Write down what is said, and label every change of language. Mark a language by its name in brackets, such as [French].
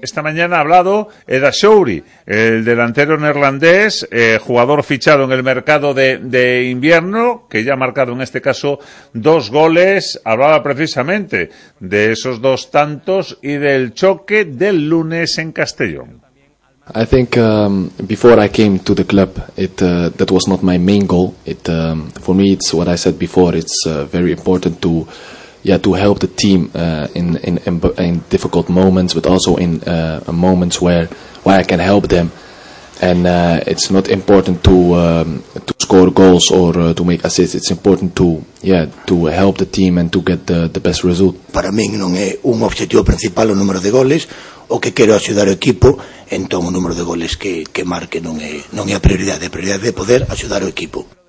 [Spanish] Esta mañana ha hablado Ed Achoury, el delantero neerlandés, jugador fichado en el mercado de invierno, que ya ha marcado en este caso dos goles. Hablaba precisamente de esos dos tantos y del choque del lunes en Castellón. [English] I think before I came to the club, it that was not my main goal. It for me, it's what I said before. It's very important to, yeah, to help the team in difficult moments, but also in moments where I can help them. And it's not important to score goals or to make assists. It's important to, yeah, to help the team and to get the best result. [Galician] Para mí non é un objetivo principal o número de goles. O que quero axudar o equipo, entón o número de goles que marque non é a prioridade é poder axudar o equipo.